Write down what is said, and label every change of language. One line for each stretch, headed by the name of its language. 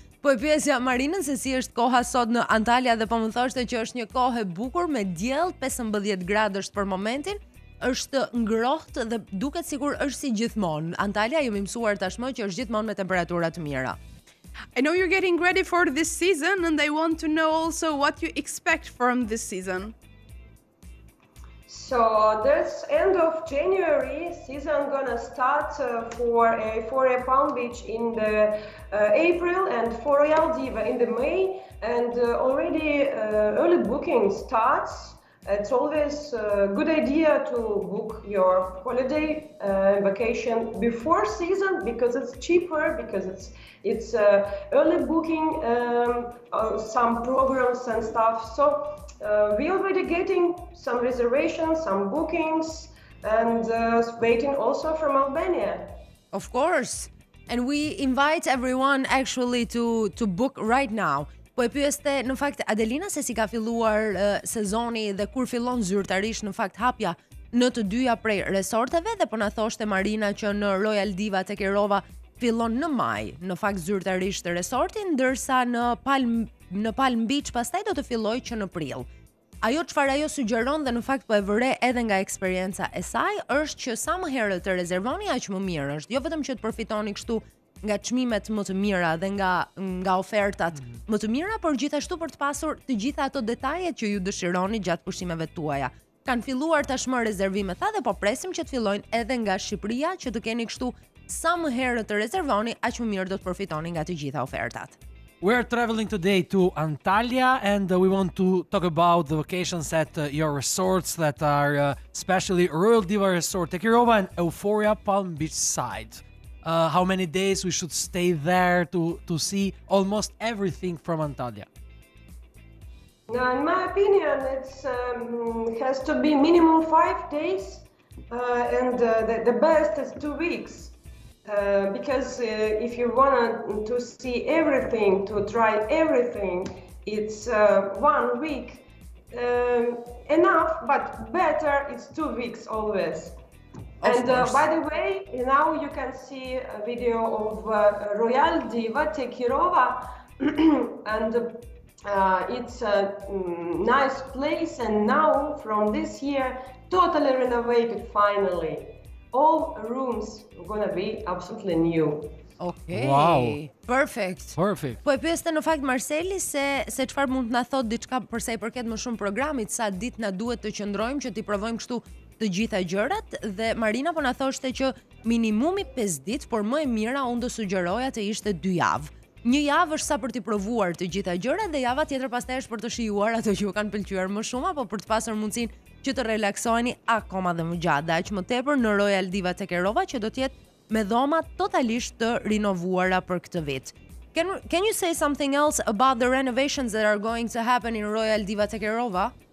Albanian: Po e pyesja Marinën se si është koha sot në Antalya dhe po më thoshte që është një kohë e bukur me diell, 15 gradë është për momentin. Është ngrohtë dhe duket sikur është si gjithmonë. Antalya jemi mësuar tashmë që është gjithmonë me temperatura të mira.
English: I know you're getting ready for this season and I want to know also what you expect from this season. So, this end of January season gonna start for Euphoria Palm Beach in the April and for Royal Diwa in the May and already early booking starts. It's always a good idea to book your holiday vacation before season because it's cheaper, because it's early booking some programs and stuff. So we already getting some reservations, some bookings, and waiting also from Albania. Of course. And we invite everyone actually to book right now.
Albanian: Po e pyeste, në fakt, Adelina, se si ka filluar sezoni dhe kur fillon zyrtarisht, në fakt, hapja në të dyja prej resorteve dhe po na thoshte Marina që në Royal Diwa tek Rova fillon në maj, në fakt, zyrtarisht resortin, ndërsa në Palm Beach pastaj do të filloj që në prill. Ajo çfarë ajo sugjeron dhe në fakt po e vëre edhe nga eksperienca e saj, është që sa më herët të rezervoni, aq më mirë është, jo vetëm që të përfitoni kështu, nga çmimet më të mira dhe nga ofertat më të mira, por gjithashtu për të pasur të gjitha ato detajet që ju dëshironi gjatë pushimeve tuaja. Kan filluar tashmë rezervime tha dhe po presim që të fillojnë edhe nga Shqipëria që të keni kështu sa më herët të rezervoni, aq më mirë do të përfitoni nga të gjitha ofertat.
English: We are traveling today to Antalya and we want to talk about the vacations at your resorts that are especially Royal Diwa Resort Tekirova and Euphoria Palm Beach Side. How many days we should stay there to see almost everything from Antalya? Now, in my opinion, it has to be minimum 5 days and the best is 2 weeks. Because if you want to see everything, to try everything, it's 1 week enough, but better it's 2 weeks always. And by the way, now you can see a video of Royal Diwa Tekirova and it's a nice place and now from this year totally renovated finally. All rooms are gonna be absolutely new. Okay. Wow. Perfect. Perfect.
Albanian: Po e pyeste në fakt Marseli se çfarë mund na thot diçka për sa i përket më shumë programit, sa ditë na duhet të qëndrojmë që ti provojmë kështu të gjitha gjërat dhe Marina po na thoshte që minimumi 5 ditë, por më e mira unë do sugjeroja të ishte 2 javë. Një javë është sa për të provuar të gjitha gjërat dhe java tjetër pastaj është për të shijuar ato që ju kanë pëlqyer më shumë apo për të pasur mundësinë që të relaksoheni akoma dhe më gjatë, aq më tepër në Royal Diwa tek Rova që do të jetë me dhoma totalisht të rinovuara për këtë vit.
English: Can you say something else about the renovations that are going to happen in Royal Diwa tek Rova?